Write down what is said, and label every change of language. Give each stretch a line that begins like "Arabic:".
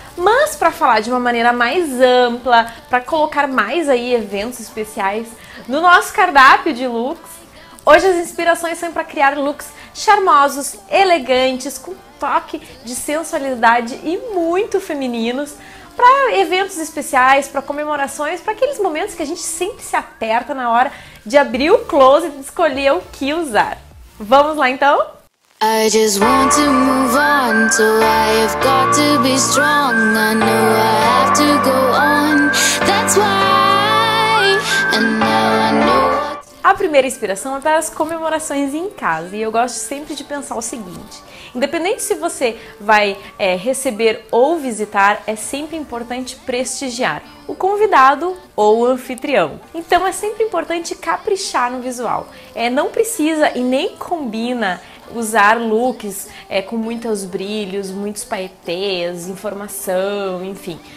Portuguese: Mas para falar de uma maneira mais ampla, para colocar mais aí eventos especiais no nosso cardápio de looks, hoje as inspirações são para criar looks charmosos, elegantes, com toque de sensualidade e muito femininos, para eventos especiais, para comemorações, para aqueles momentos que a gente sempre se aperta na hora de abrir o closet e escolher o que usar. Vamos lá então?
English: I just want to move on, so I have got to be strong. I know I have to go on, that's why. And now I know.
Portuguese: A primeira inspiração é para as comemorações em casa, e eu gosto sempre de pensar o seguinte: independente se você vai receber ou visitar, é sempre importante prestigiar o convidado ou o anfitrião. Então é sempre importante caprichar no visual. Não precisa e nem combina usar looks com muitos brilhos, muitos paetês, informação, enfim.